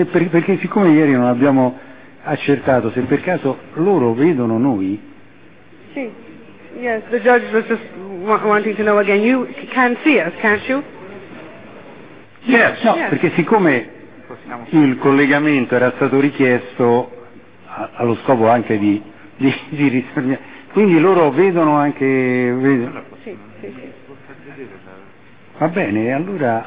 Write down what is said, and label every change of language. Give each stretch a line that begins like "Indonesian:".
Italian: Perché siccome ieri non abbiamo accertato se per caso loro vedono noi. Sì.
English: Yes, the judge was just wanting to know again. You can see us, can't you? Yes. No, yes.
Italian: Perché siccome il collegamento era stato richiesto allo scopo anche di risparmiare, quindi loro vedono anche. Vedono. Sì, sì, sì. Va bene, allora.